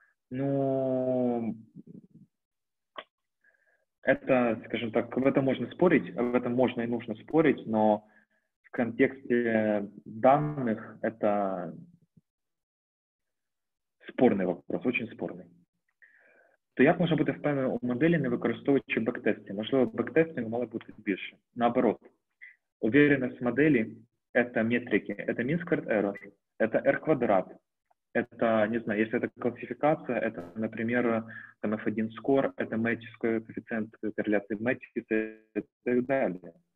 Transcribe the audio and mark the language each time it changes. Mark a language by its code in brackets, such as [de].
[ru] Ну, это, скажем так, об этом можно спорить, об этом можно и нужно спорить, но в контексте данных это спорный вопрос, очень спорный. [uk] То як можна бути впевнений у моделі, не використовуючи бэктестинг? Можливо, бэктестинг мало бути більше. [ru] Наоборот, уверенность моделі – это метрики, это mean squared error, это R квадрат, это, не знаю, если это классификация, это, например, там F1 score, это матрицкий коэффициент корреляции матрицы и так далее.